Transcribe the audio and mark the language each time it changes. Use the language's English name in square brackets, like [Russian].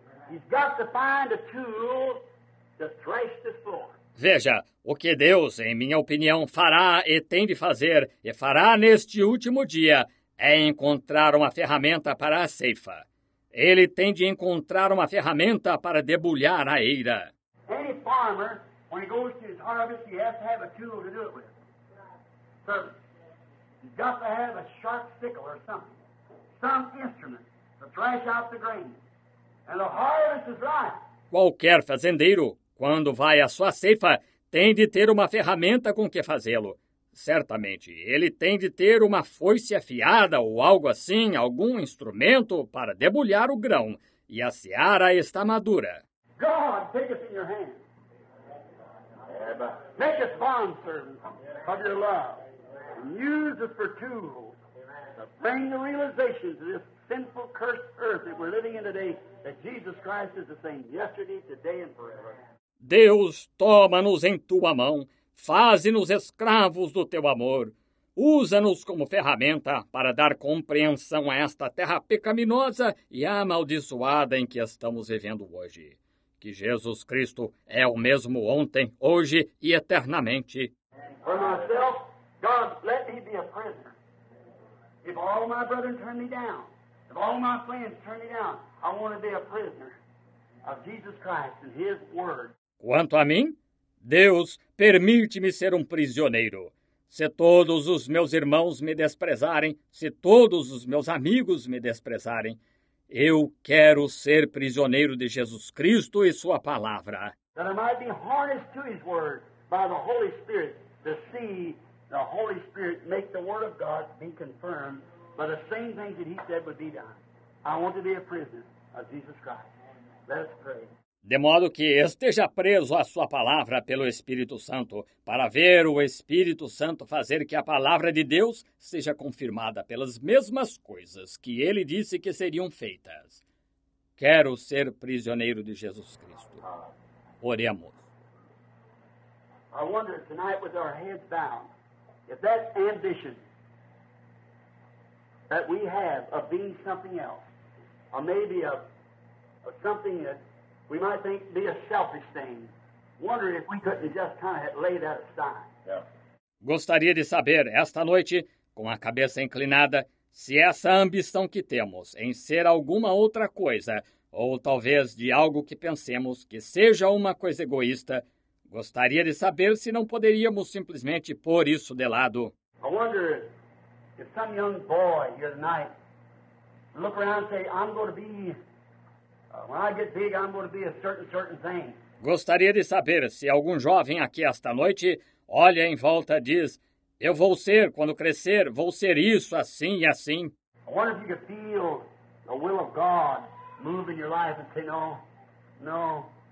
[English] He's got to find a tool to thresh the floor. [Portuguese] Veja, o que Deus, em minha opinião, fará e tem de fazer, e fará neste último dia, é encontrar uma ferramenta para a ceifa. Ele tem de encontrar uma ferramenta para debulhar a eira. [English] Any farmer, when he goes to his harvest, he has to have a tool to do it with. So, he's got to have a sharp sickle or something. Some instrument to thrash out the grain. And the harvest is ripe. [Portuguese] Qualquer fazendeiro, quando vai à sua ceifa, tem de ter uma ferramenta com que fazê-lo. Certamente, ele tem de ter uma foice afiada ou algo assim, algum instrumento para debulhar o grão. E a seara está madura. [English] God, take us in your hand. Yeah, make us bondservants of your love. And use us for tools to bring the realization to this sinful, cursed earth that we're living in today that Jesus Christ is the same yesterday, today and forever. [Portuguese] Deus, toma-nos em tua mão. Faze-nos escravos do teu amor. Usa-nos como ferramenta para dar compreensão a esta terra pecaminosa e amaldiçoada em que estamos vivendo hoje. Que Jesus Cristo é o mesmo ontem, hoje e eternamente. [English] For myself, God, let me be a prisoner. If all my brethren turn me down, if all my friends turn me down, I want to be a prisoner of Jesus Christ and His word. [Portuguese] Quanto a mim, Deus, permite-me ser um prisioneiro. Se todos os meus irmãos me desprezarem, se todos os meus amigos me desprezarem, eu quero ser prisioneiro de Jesus Cristo e sua palavra. [English] That I might be harnessed to his word by the Holy Spirit to see the Holy Spirit make the word of God be confirmed by the same things that he said would be done. I want to be a prisoner of Jesus Christ. Let us pray. [Portuguese] De modo que esteja preso à sua palavra pelo Espírito Santo, para ver o Espírito Santo fazer que a palavra de Deus seja confirmada pelas mesmas coisas que ele disse que seriam feitas. Quero ser prisioneiro de Jesus Cristo. Oremos. [English] I wonder tonight with our heads bowed, if that ambition that we have of being something else, or maybe of something that we might think be a selfish thing. Wonder if we couldn't just kind of lay that aside. Yeah. [Portuguese] Gostaria de saber, esta noite, com a cabeça inclinada, se essa ambição que temos em ser alguma outra coisa, ou talvez de algo que pensemos que seja uma coisa egoísta, gostaria de saber se não poderíamos simplesmente pôr isso de lado. [English] I wonder if some young boy here tonight look around and say, I'm going to be, when I get big, I'm going to be a certain thing. [Portuguese] Gostaria de saber se algum jovem aqui esta noite olha em volta e diz, eu vou ser, quando crescer, vou ser isso, assim e assim. [English] I wonder if you could feel the will of God move in your life and say, no, no.